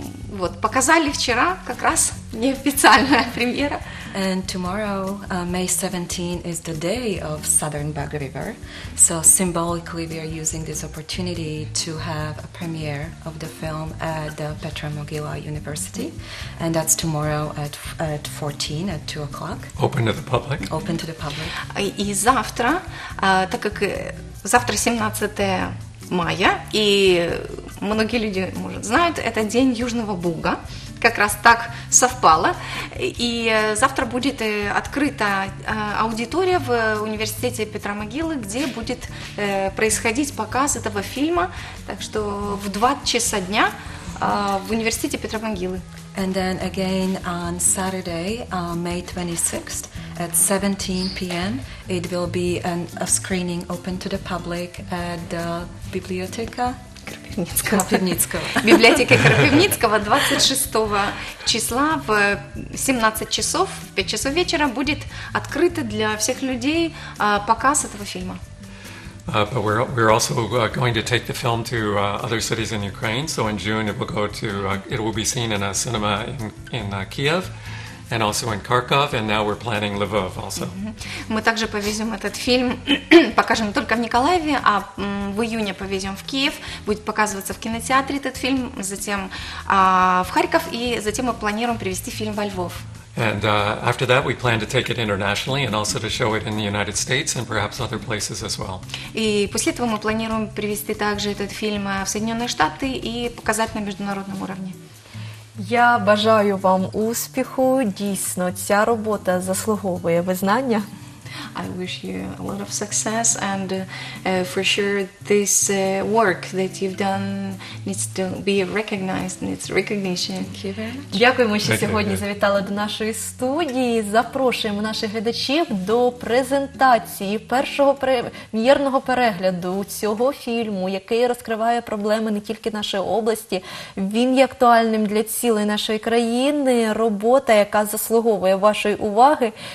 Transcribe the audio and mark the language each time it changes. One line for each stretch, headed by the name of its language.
Russian: Вот, показали вчера, как раз неофициальная премьера.
English: And tomorrow, May 17, is the day of Southern Bug River. So symbolically, we are using this opportunity to have a premiere of the film at the Petra Mogila University. And that's tomorrow at 14, at 2 o'clock. Open to the public. Open to the public.
Russian: И завтра, так как завтра 17 мая, и многие люди, может, знают, это день Южного Буга. Как раз так совпало. И завтра будет открыта аудитория в университете Петра Могилы, где будет происходить показ этого фильма. Так что в 2 часа дня в университете Петра Могилы.
English: And then again on Saturday, May 26th, at 17 p.m., it will be a screening open to the public at the Bibliotheca.
Russian: Кропивницкого. Библиотека Кропивницкого 26 числа в 17 часов, в 5 часов вечера будет открыто для всех людей показ этого фильма.
English: But we're also going to take the film to other cities in Ukraine. So in June it will go to it will be seen in a cinema in Kiev. And also in Kharkov, and now we're planning Lviv also.
Russian: Мы также повезем этот фильм, покажем только в Николаеве, а в июне повезем в Киев. Будет показываться в кинотеатре этот фильм, затем в Харьков, и затем мы планируем привезти фильм во Львов.
English: And after that, we plan to take it internationally and also to show it in the United States and perhaps other places as well.
Russian: И после этого мы планируем привезти также этот фильм в Соединенные Штаты и показать на международном уровне.
Ukrainian: Я бажаю вам успіху. Дійсно, ця робота заслуговує визнання.
English: I wish you a lot of success and for sure this work that you've done needs to be recognized, needs recognition. Thank you very much.
Ukrainian: Дякуємо, що сьогодні завітали до нашої студії. Запрошуємо наших глядачів до презентації першого прем'єрного перегляду цього фільму, який розкриває проблеми не тільки нашої області, він є актуальним для цілої нашої країни, робота, яка заслуговує вашої уваги.